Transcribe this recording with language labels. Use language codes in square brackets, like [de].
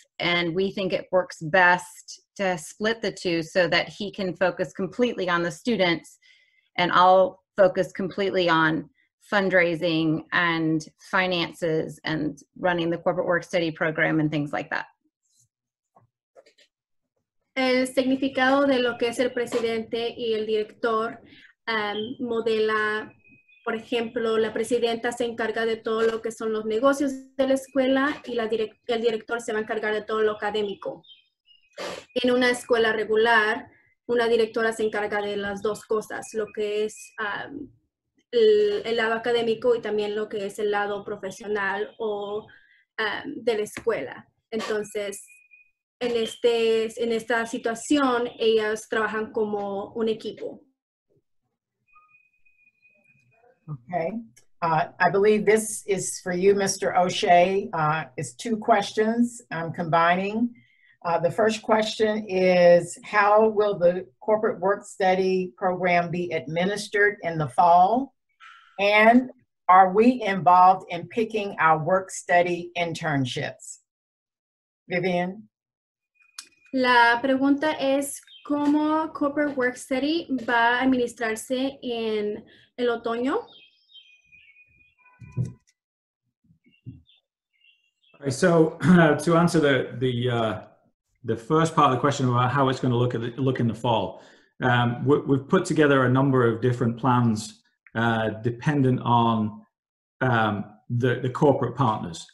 [en] And we think it works best to split the two so that he can focus completely on the students and I'll focus completely on fundraising and finances and running the corporate work study program and things like that. [es] El significado de lo que es el presidente y el director modela, por ejemplo, la presidenta se encarga de todo lo que son los negocios de la escuela y el director se va a encargar de todo lo académico. En una escuela regular, una directora se encarga de las dos cosas, lo que es el lado académico y también lo que es el lado profesional o de la escuela. Entonces, en esta situación, ellas trabajan como un equipo. [en] Okay. I believe this is for you, Mr. O'Shea. It's two questions I'm combining. The first question is, how will the corporate work study program be administered in the fall? And are we involved in picking our work study internships? Vivian? [es] La pregunta es, ¿cómo [en] corporate work study [es] va a administrarse en el otoño? [en] So, to answer the first part of the question about how it's going to look in the fall, we've put together a number of different plans dependent on the corporate partners.